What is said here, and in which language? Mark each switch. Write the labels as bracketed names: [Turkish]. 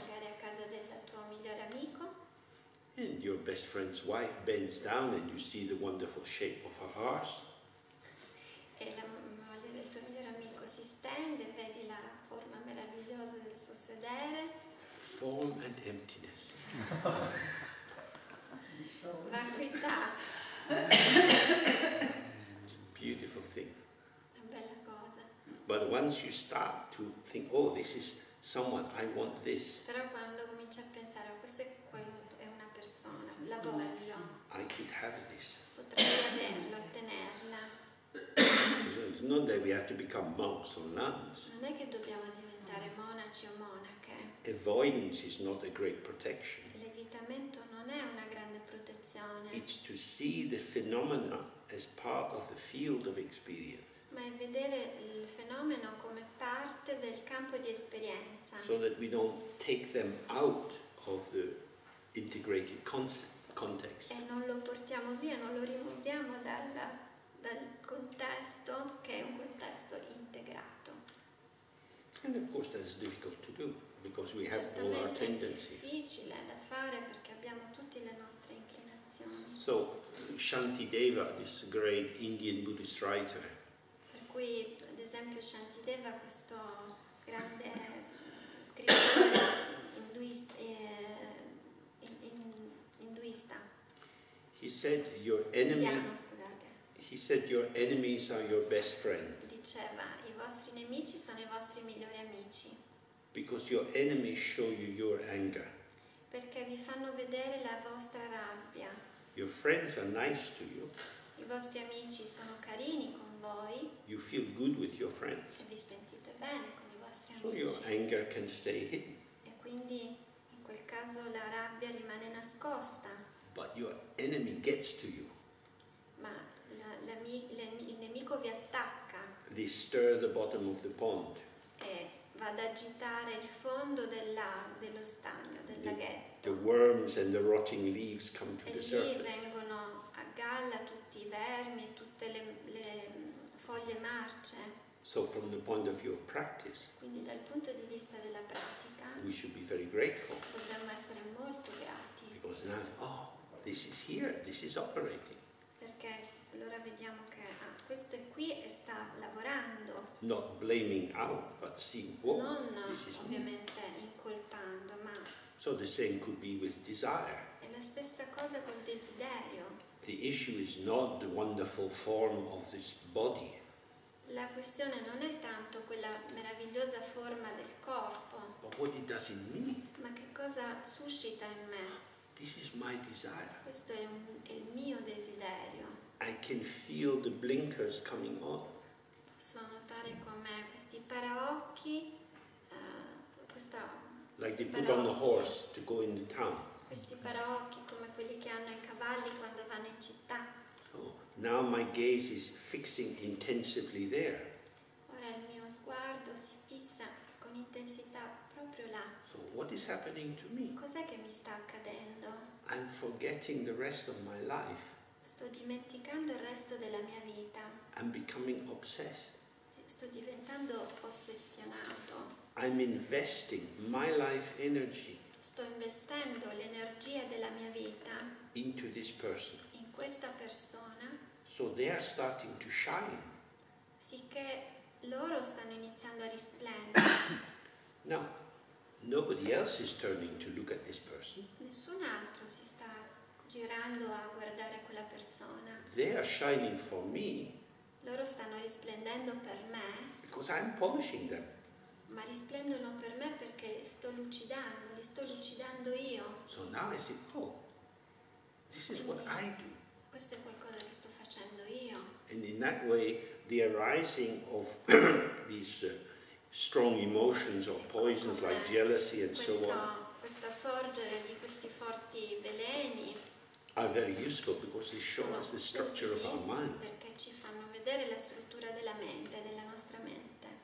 [Italian] Sei magari a casa del tuo migliore amico. [English] And your best friend's wife bends down, and you see the wonderful shape of her horse. [Italian] E la moglie del tuo migliore amico si stende, vedi la forma meravigliosa del suo sedere. [English] Form and emptiness. [Italian] Vacuità. [English] It's a beautiful thing. [Italian] Una bella cosa. [English] But once you start to think, oh, this is someone, I want this. [Italian] Però quando cominci a pensare, oh, questo è quello, è una persona, la voglio. [English] I could have this. [Italian] Potrei averlo, ottenerla. [English] It's not that we have to become monks or nuns. [Italian] Non è che dobbiamo diventare monaci o monache. [English] Avoidance is not a great protection. [Italian] L'evitamento non è una grande protezione. [English] It's to see the phenomena as part of the field of experience. [Italian] Ma è vedere il fenomeno come parte del campo di esperienza. [English] So that we don't take them out of the integrated context. [Italian] E non lo portiamo via, non lo rimuoviamo dal contesto che è un contesto integrato. [English] And of course that's difficult to do because we have all our tendencies. [Italian] È difficile da fare perché abbiamo tutte le nostre inclinazioni. [English] So Shantideva, this great Indian Buddhist writer. [Italian] Per cui ad esempio Shantideva, questo grande scrittore induista. [English] He said your enemy. He said your enemies are your best friend. [Italian] Diceva, i vostri nemici sono i vostri migliori amici. [English] Because your enemies show you your anger. [Italian] Perché vi fanno vedere la vostra rabbia. [English] Your friends are nice to you. [Italian] I vostri amici sono carini con voi. [English] You feel good with your friends. [Italian] E vi sentite bene con i vostri so amici. [English] So your anger can stay hidden. [Italian] E quindi in quel caso la rabbia rimane nascosta. [English] But your enemy gets to you. [Italian] Ma il nemico vi attacca. [English] They stir the bottom of the pond. [Italian] E va ad agitare il fondo dello stagno, del laghetto. [English] The worms and the rotting leaves come to e the surface. [Italian] E lì vengono a galla tutti i vermi e tutte le foglie marce. [English] So from the point of view of practice. [Italian] Quindi dal punto di vista della pratica. [English] We should be very grateful. [Italian] Dovremmo essere molto grati. [English] Because now, oh, this is here, this is operating. [Italian] Perché allora vediamo che questo è qui e sta lavorando. [English] Not blaming out, but seeing what this is. [Italian] Non ovviamente incolpando, ma. [English] So the same could be with desire. [Italian] È la stessa cosa col desiderio. [English] The issue is not the wonderful form of this body. [Italian] La questione non è tanto quella meravigliosa forma del corpo. [English] But what it does in me? [Italian] Ma che cosa suscita in me? [English] This is my desire. [Italian] Questo è il mio desiderio. [English] I can feel the blinkers coming on. [Italian] Posso notare come questi paraocchi, questa. [English] Like they put on the horse to go in the town. [Italian] Questi paraocchi come quelli che hanno i cavalli quando vanno in città. [English] Oh, now my gaze is fixing intensively there. [Italian] Ora il mio sguardo si fissa con intensità proprio là. [English] So what is happening to me? [Italian] Cos'è che mi sta accadendo? [English] I'm forgetting the rest of my life. [Italian] Sto dimenticando il resto della mia vita. [English] I'm becoming obsessed. [Italian] Sto diventando ossessionato. [English] I'm investing my life energy. [Italian] Sto investendo l'energia della mia vita. [English] Into this person. [Italian] In questa persona. [English] So they are starting to shine. [Italian] Sicché loro stanno iniziando a risplendere. [English] Now, nobody else is turning to look at this person. [Italian] Nessun altro si sta girando a guardare quella persona. [English] They are shining for me. [Italian] Loro stanno risplendendo per me. [English] Because I'm polishing them. [Italian] Ma risplendono per me perché sto lucidando, li sto lucidando io. [English] So now I say, oh, this is what I do. [Italian] Questo è qualcosa che sto facendo io. [English] And in that way, the arising of these strong emotions or poisons like jealousy and so on. [Italian] Questa sorgere di questi forti veleni. [English] Are very useful because they show us the structure of our mind. [Italian] Perché ci fanno vedere la struttura della mente, della nostra mente.